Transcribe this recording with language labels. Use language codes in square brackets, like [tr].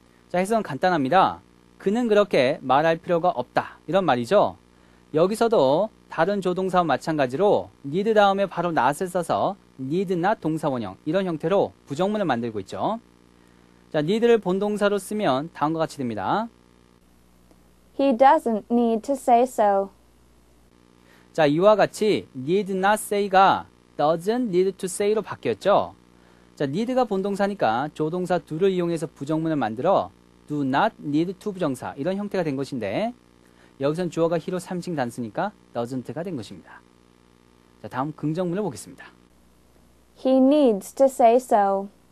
[ko] 자, 해석은 간단합니다. 그는 그렇게 말할 필요가 없다. 이런 말이죠. 여기서도 다른 조동사와 마찬가지로 need 다음에 바로 not을 써서 need not 동사원형 이런 형태로 부정문을 만들고 있죠. 자, need를 본동사로 쓰면 다음과 같이 됩니다. [en] He doesn't need to say so. [ko] 자, 이와 같이 need not say가 doesn't need to say로 바뀌었죠. 자, need가 본동사니까 조동사 do를 이용해서 부정문을 만들어 do not need to 부정사 이런 형태가 된 것인데 여기선 주어가 히로 3층 단수니까 doesn't가 된 것입니다. 자, 다음 긍정문을 보겠습니다. [en] He needs to say so.